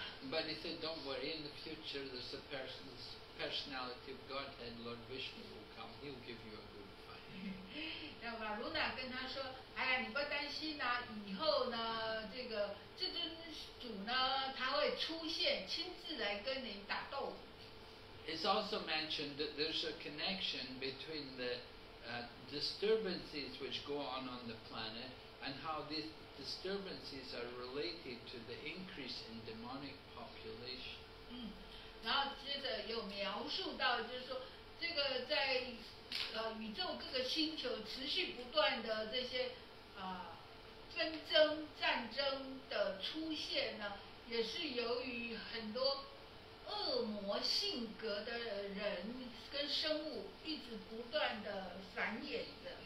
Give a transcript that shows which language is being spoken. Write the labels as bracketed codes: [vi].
[en] But he said, don't worry, in the future there's a personality of Godhead, Lord Vishnu will come, he'll give you a good fight. [zh] Varuna 你不担心呢、啊？以后呢，这个至尊主呢，他会出现，亲自来跟你打斗。 [en] It's also mentioned that there's a connection between the disturbances which go on the planet and how these disturbances are related to the increase in demonic population. [zh] 嗯，然后接着有描述到，就是说这个在宇宙各个星球持续不断的这些纷争战争的出现呢，也是由于很多恶魔性格的人跟生物一直不断的繁衍的。